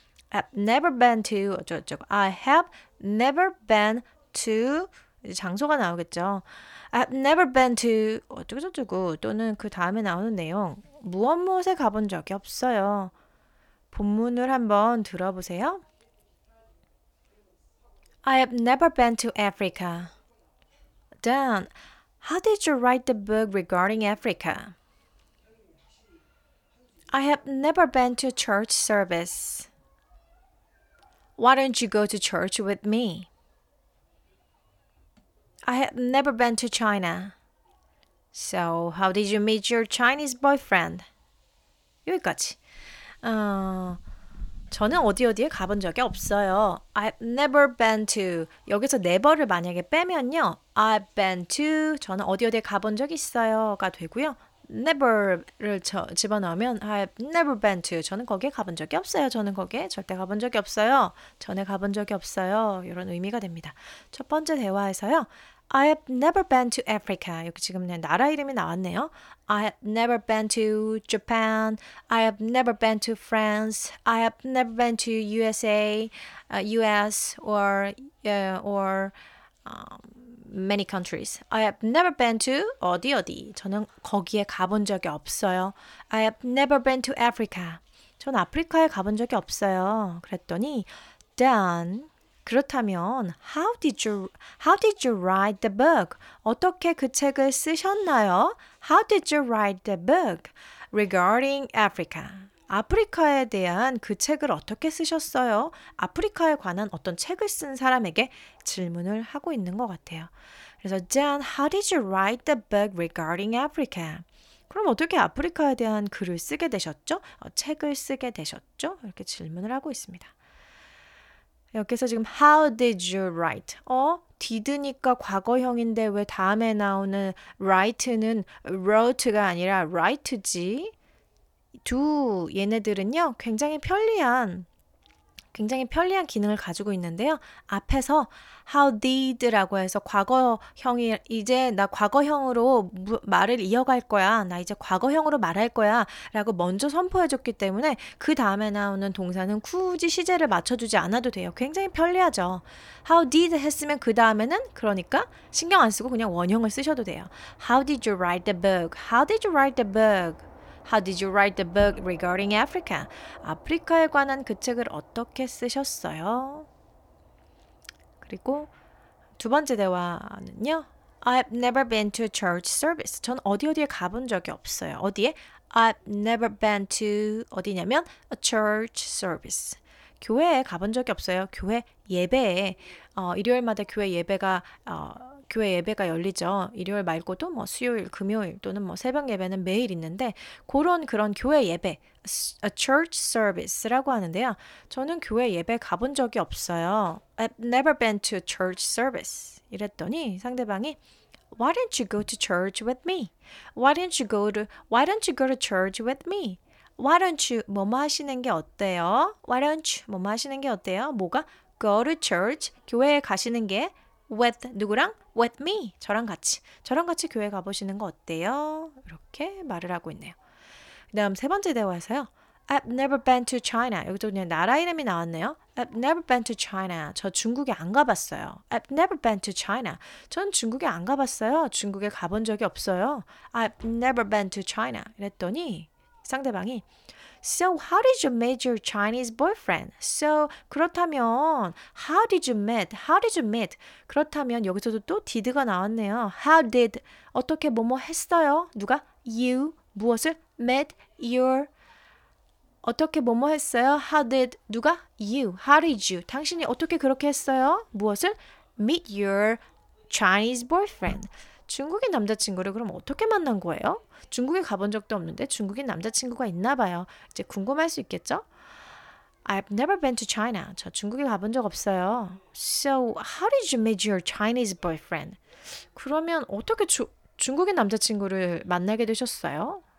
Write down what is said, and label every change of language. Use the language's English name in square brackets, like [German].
[English] I've never been to 어쩌고저쩌고. I have never been to [Korean] 장소가 나오겠죠. [English] I've never been to [Korean] 어쩌고저쩌고 또는 그 다음에 나오는 내용 무엇 무엇에 가본 적이 없어요. 본문을 한번 들어보세요. [English] I have never been to Africa. Dan, how did you write the book regarding Africa? I have never been to church service. Why don't you go to church with me? I have never been to China. So, how did you meet your Chinese boyfriend? [Korean] 여기까지. 저는 어디 어디에 가본 적이 없어요. [English] I've never been to. [Korean] 여기서 never를 만약에 빼면요. [English] I've been to. [Korean] 저는 어디 어디에 가본 적이 있어요가 되고요. never를 집어넣으면 [English] I've never been to. [Korean] 저는 거기에 가본 적이 없어요. 저는 거기에 절대 가본 적이 없어요. 전에 가본 적이 없어요. 이런 의미가 됩니다. 첫 번째 대화에서요. [English] I have never been to Africa. [Korean] 여기 지금 나라 이름이 나왔네요. [English] I have never been to Japan. I have never been to France. I have never been to USA, US or many countries. I have never been to 어디 어디. [Korean] 저는 거기에 가본 적이 없어요. [English] I have never been to Africa. [Korean] 전 아프리카에 가본 적이 없어요. 그랬더니 Dan 그렇다면 [English] how did you write the book? [Korean] 어떻게 그 책을 쓰셨나요? [English] How did you write the book regarding Africa? [Korean] 아프리카에 대한 그 책을 어떻게 쓰셨어요? 아프리카에 관한 어떤 책을 쓴 사람에게 질문을 하고 있는 것 같아요. [English] 그래서 Dan, how did you write the book regarding Africa? [Korean] 그럼 어떻게 아프리카에 대한 글을 쓰게 되셨죠? 책을 쓰게 되셨죠? 이렇게 질문을 하고 있습니다. 여기서 지금 [English] how did you write? [Korean] 디드니까 과거형인데 왜 다음에 나오는 write는 wrote가 아니라 write지? do 얘네들은요 굉장히 편리한 기능을 가지고 있는데요. 앞에서 how did라고 해서 과거형이 이제 나 과거형으로 말을 이어갈 거야. 나 이제 과거형으로 말할 거야 라고 먼저 선포해줬기 때문에 그 다음에 나오는 동사는 굳이 시제를 맞춰주지 않아도 돼요. 굉장히 편리하죠. how did 했으면 그 다음에는 그러니까 신경 안 쓰고 그냥 원형을 쓰셔도 돼요. [English] how did you write the book? how did you write the book? How did you write the book regarding Africa? [Korean] 아프리카에 관한 그 책을 어떻게 쓰셨어요? 그리고 두 번째 대화는요. [English] I've never been to church service. [Korean] 전 어디 어디에 가본 적이 없어요. 어디에? [English] I've never been to [Korean] 어디냐면 [English] a church service. [Korean] 교회에 가본 적이 없어요. 교회 예배에 일요일마다 교회 예배가 교회 예배가 열리죠. 일요일 말고도 뭐 수요일, 금요일 또는 뭐 새벽 예배는 매일 있는데 그런 교회 예배, [English] a church service [Korean] 라고 하는데요. 저는 교회 예배 가본 적이 없어요. [English] I've never been to church service. [Korean] 이랬더니 상대방이 [English] Why don't you go to church with me? Why don't you go to church with me? Why don't you [Korean] 뭐뭐 하시는 게 어때요? Why don't you 뭐뭐 하시는 게 어때요? 뭐가? [English] Go to church, [Korean] 교회에 가시는 게 [English] With 누구랑? With me. [Korean] 저랑 같이 교회 가보시는 거 어때요? 이렇게 말을 하고 있네요. 그 다음 세 번째 대화에서요. [English] I've never been to China. [Korean] 여기도 그냥 나라 이름이 나왔네요. [English] I've never been to China. [Korean] 저 중국에 안 가봤어요. [English] I've never been to China. [Korean] 전 중국에 안 가봤어요. 중국에 가본 적이 없어요. [English] I've never been to China. [Korean] 이랬더니 상대방이 [English] So how did you meet your Chinese boyfriend? So [Korean] 그렇다면 [English] how did you meet? How did you meet? [Korean] 그렇다면 여기서도 또 did가 나왔네요. [English] How did [Korean] 어떻게 뭐뭐 했어요? 누가 you 무엇을 met your 어떻게 뭐뭐 했어요? [English] How did 누가 you? How did you? [Korean] 당신이 어떻게 그렇게 했어요? 무엇을 [English] meet your Chinese boyfriend? [Korean] 중국인 남자친구를 그럼 어떻게 만난 거예요? 중국에 가본 적도 없는데 중국인 남자친구가 있나 봐요. 이제 궁금할 수 있겠죠? [English] I've never been to China. [Korean] 저 중국에 가본 적 없어요. [English] So, how did you meet your Chinese boyfriend? [Korean] 그러면 어떻게 중국인 남자친구를 만나게 되셨어요?